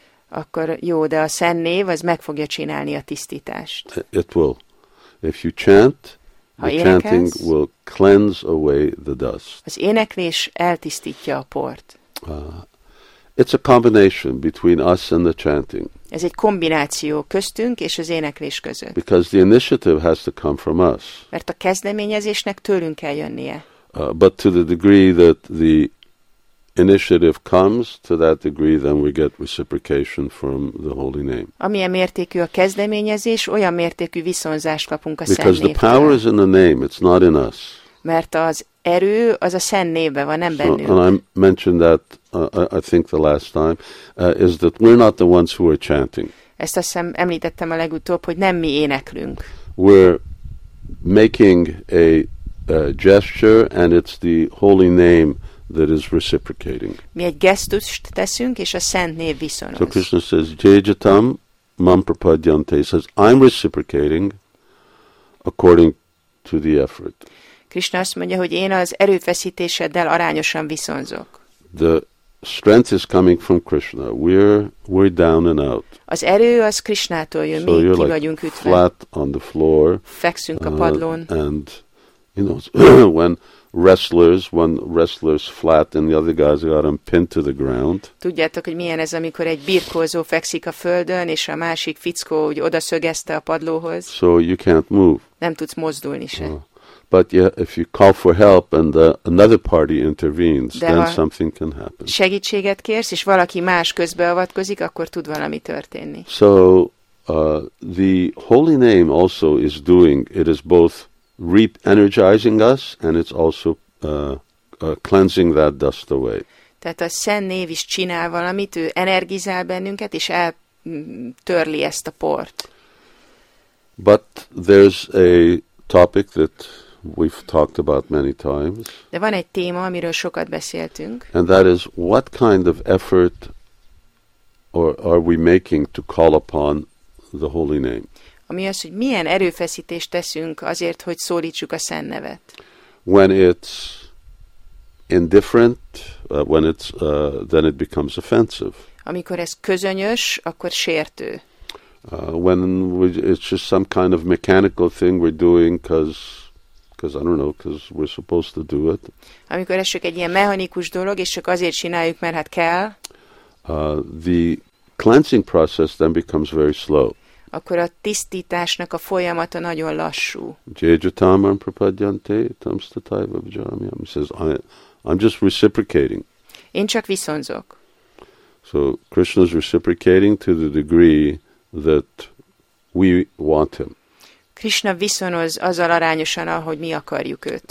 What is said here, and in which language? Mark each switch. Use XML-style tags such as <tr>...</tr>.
<hu>Akkor jó, de a szent név az meg fogja csinálni a tisztítást.</hu> <en>It will. If you chant, the chanting will cleanse away the dust.</en> <hu>Az éneklés eltisztítja a port.</hu> <en>It's a combination between us and the chanting.</en> <hu>Ez egy kombináció köztünk és az éneklés között.</hu> <en>Because the initiative has to come from us.</en> <hu>Mert a kezdeményezésnek tőlünk kell jönnie.</hu> <en>But to the degree that the initiative comes, to that degree then we get reciprocation from the holy name.</en> <hu>Amilyen mértékű a kezdeményezés, olyan mértékű viszonzást kapunk a szent névtől.</hu> <en>Because the power is in the name, it's not in us.</en> <hu>Mert az erő az a szent névben van, nem bennünk.</hu> <en>So, and I mentioned that, I think the last time, is that we're not the ones who are chanting.</en> <hu>Ezt azt hiszem, említettem a legutóbb, hogy nem mi éneklünk.</hu> <en>We're making a gesture, and it's the holy name that is reciprocating.</en> <hu>Mi egy gesztust teszünk, és a szent név viszonoz.</hu> <en>So Krishna says,</en> <sa>Jejatam mam prapadyante,</sa> <en>says, I'm reciprocating according to the effort.</en> <hu>Krishna azt mondja, hogy én az erőfeszítéseddel arányosan viszonzok.</hu> <en>The strength is coming from Krishna. We're down and out.</en> <hu>Az erő az Krishnától jön, mi ki vagyunk ütve.</hu> <en>Flat on the floor.</en> <hu>Fekszünk a padlón.</hu> <en>And you know, when wrestlers flat and the other guys got him pinned to the ground.</en> <hu>Tudjátok, hogy milyen ez, amikor egy birkózó fekszik a földön, és a másik fickó úgy odaszögezte a padlóhoz.</hu> <en>So you can't move.</en> <hu>Nem tudsz mozdulni se.</hu> <en>But yeah, if you call for help and another party intervenes,</en> <hu>de</hu> <en>then something can happen.</en> <hu>Segítséget kérsz, és valaki más közbeavatkozik, akkor tud valami történni.</hu> <en>So the holy name also is doing, it is both re-energizing us, and it's also cleansing that dust away.</en> <hu>Tehát a szent név is csinál valamit, ő energizál bennünket, és eltörli ezt a port.</hu> <en>But there's a topic that we've talked about many times.</en> <hu>De van egy téma, amiről sokat beszéltünk.</hu> <en>And that is, what kind of effort or are we making to call upon the holy name?</en> <hu>Ami az, hogy milyen erőfeszítést teszünk azért, hogy szólítsuk a szent nevet.</hu> <en>When it's indifferent, when it's then it becomes offensive.</en> <hu>Amikor ez közönyös, akkor sértő.</hu> <en>It's just some kind of mechanical thing we're doing because I don't know, because we're supposed to do it.</en> <hu>Amikor ez csak egy ilyen mechanikus dolog, és csak azért csináljuk, mert hát kell.</hu> <en>The cleansing process then becomes very slow.</en> <hu>Akkor a tisztításnak a folyamata nagyon lassú.</hu> <sa>Jejatam mam prapadyante tamstatai vajjamyam.</sa> <en>He says, I'm just reciprocating.</en> <hu>Én csak viszonzok.</hu> <en>So Krishna's reciprocating to the degree that we want him.</en> <hu>Krishna viszonoz azzal arányosan, ahogy mi akarjuk őt.</hu>